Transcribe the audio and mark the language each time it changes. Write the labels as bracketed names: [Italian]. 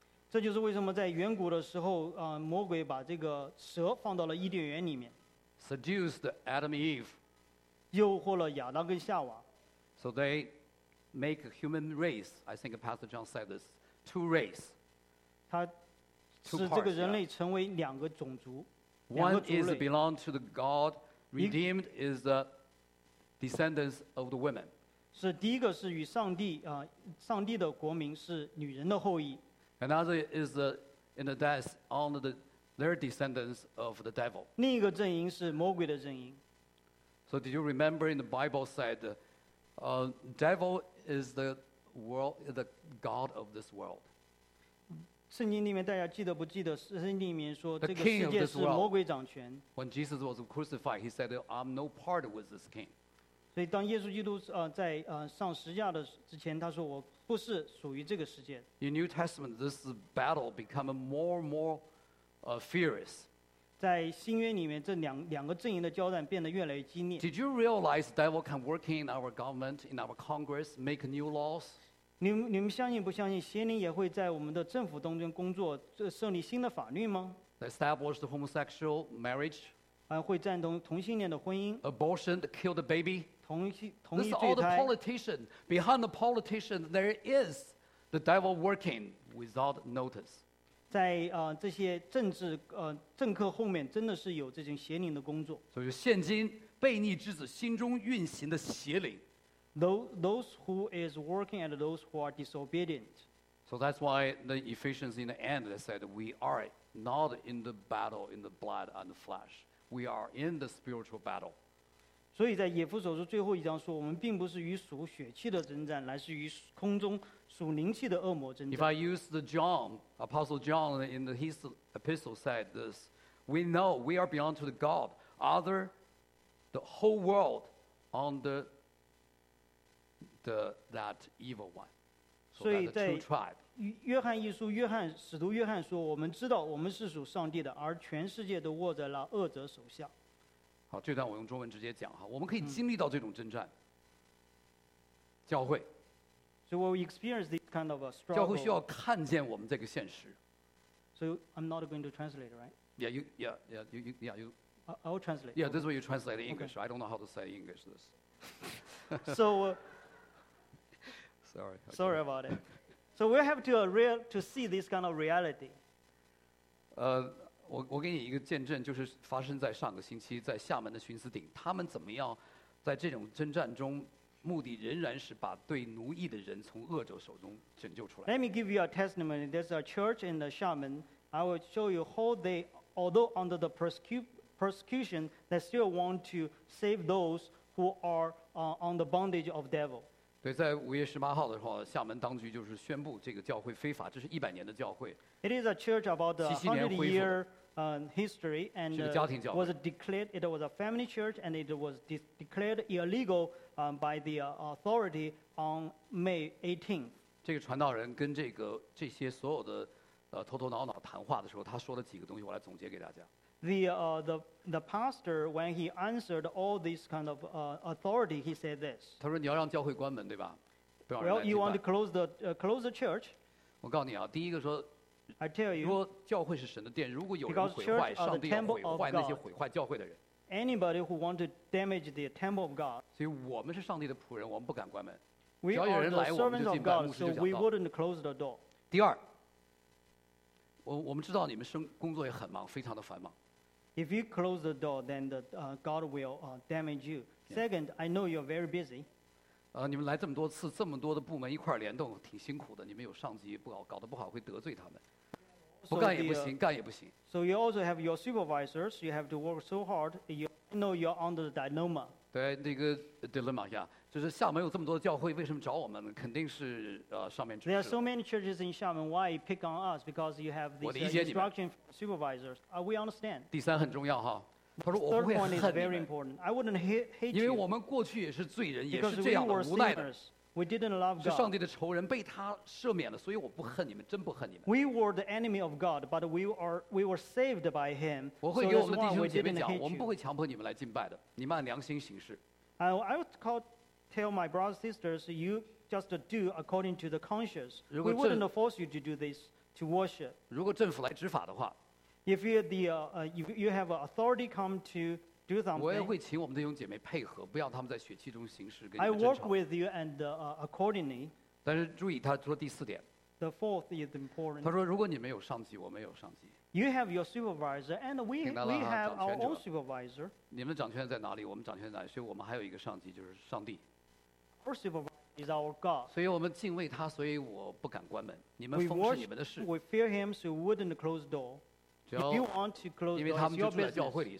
[Chinese] 这就是为什么在远古的时候，魔鬼把这个蛇放到了伊甸园里面。 [English] Seduced Adam and Eve. [Chinese] 诱惑了亚当跟夏娃。 [English] So they make a human race. I think Pastor John said this. Two race. [Chinese] 它使这个人类成为两个种族。 [English] One is belong to the God redeemed is the descendants of the women. [Chinese] 是第一个是与上帝的国民是女人的后裔。 [English] Another is in the death on their descendants of the devil. [Chinese] 另一个阵营是魔鬼的阵营。 [English] So did you remember in the Bible said, devil is the world the God of this world. [Chinese] 圣经里面大家记得不记得圣经里面说这个世界是魔鬼掌权 [English] When Jesus was crucified he said I'm no part with this king [Chinese] 所以当耶稣基督在上十字架的之前他说我不是属于这个世界 [English] In New Testament this battle become more and more furious [Chinese] 在新约里面这两个阵营的交战变得越来越激烈 [English] Did you realize devil can work in our government in our congress make new laws? [Chinese] 你们相信不相信邪灵也会在我们的政府当中工作设立新的法律吗 [English] Establish the homosexual marriage [Chinese] 会赞同同性恋的婚姻 [English] Abortion to kill the baby [Chinese] 同意罪胎 [English] This is all the politician Behind the politician there is the devil working without notice [Chinese] 在这些政客后面真的是有这种邪灵的工作所以现今悖逆之子心中运行的邪灵 [English] Those who is working and those who are disobedient. So that's why the Ephesians in the end they said we are not in the battle in the blood and the flesh. We are in the spiritual battle. [Chinese] 所以在以弗所书最后一章说，我们并不是与属血气的征战，乃是与空中属灵气的恶魔征战。 [English] If I use the John, Apostle John in his epistle said this, we know we are beyond to the God, other the whole world on the that evil one. So that the two tribe. [Chinese] 约翰一书，约翰使徒约翰说，我们知道我们是属上帝的，而全世界都握在了恶者手下。好，这段我用中文直接讲哈，我们可以经历到这种征战。教会。 [English] So we experience this kind of a struggle. [Chinese] 教会需要看见我们这个现实。 [English] So I'm not going to translate, right? Yeah, you. I'll translate. Yeah, this is what you translate in English. Okay. I don't know how to say English this. So. Sorry about it. So we have to see this kind of reality. [Chinese] 我给你一个见证，就是发生在上个星期在厦门的寻思顶，他们怎么样在这种征战中目的仍然是把对奴役的人从恶者手中拯救出来。 [English] Let me give you a testimony. There's a church in the Xiamen. I will show you how they, although under the persecution, they still want to save those who are on the bondage of devil. [Chinese] 对，在5月18号的时候，厦门当局就是宣布这个教会非法，这是100年的教会。 [English] It is a church about a 100-year history and was declared. It was a family church and it was declared illegal by the authority on May 18th. [Chinese] 这个传道人跟这些所有的头头脑脑谈话的时候，他说了几个东西，我来总结给大家。 [English] The pastor, when he answered all this kind of authority, he said this. [Chinese] 他说你要让教会关门，对吧？不要让人来敬拜。 [English] Well, you want to close the church? [Chinese] 我告诉你啊，第一个说。 [English] I tell you, [Chinese] 如果教会是神的殿，如果有人毁坏，上帝要毁坏那些毁坏教会的人。 [English] Anybody who wants to damage the temple of God. [Chinese] 所以我们是上帝的仆人，我们不敢关门。 [English] We are the servants of God, so we wouldn't close the door. [Chinese] 第二，我们知道你们工作也很忙，非常的繁忙。 [English] If you close the door, then God will damage you. Second, I know you're very busy. [Chinese] 你们来这么多次，这么多的部门一块联动，挺辛苦的。你们有上级，不搞，搞得不好会得罪他们。不干也不行，干也不行。 [English] So you also have your supervisors. You have to work so hard. You know you're under the dilemma. [Chinese] 对，那个 dilemma 呀，就是厦门有这么多教会，为什么找我们？肯定是上面指示。 [English] There are so many churches in Xiamen. Why pick on us? Because you have these instruction supervisors. We understand. [Chinese] 第三很重要哈。他说我不会恨你们。 [English] Third point is very important. I wouldn't hate you. [Chinese] 因为我们过去也是罪人，也是这样的无奈的。 [English] We didn't love God. [Chinese] 是上帝的仇人被他赦免了，所以我不恨你们，真不恨你们。 [English] We were the enemy of God, but we were saved by Him. [Chinese] 我会给我们弟兄姐妹讲，我们不会强迫你们来敬拜的，你们按良心行事。 [English] I would tell my brothers and sisters, you just do according to the conscience. We wouldn't force you to do this to worship. [Chinese] 如果政府来执法的话 [English] ，If you the if you have authority come to do something, [Chinese] 我也会请我们的弟兄姐妹配合，不要他们在血气中行事跟你们争吵。 [English] I work with you and accordingly. [Chinese] 但是注意，他说第四点。 [English] The fourth is important. [Chinese] 他说，如果你没有上级，我没有上级。 [English] You have your supervisor and we have our own supervisor. [Chinese] 你们的掌权在哪里？我们掌权在哪里？所以我们还有一个上级，就是上帝。 [English] Our supervisor is our God. [Chinese] 所以我们敬畏他，所以我不敢关门。你们奉是你们的事。 [English] We fear him, so we wouldn't close the door. If you want to close the door, your business.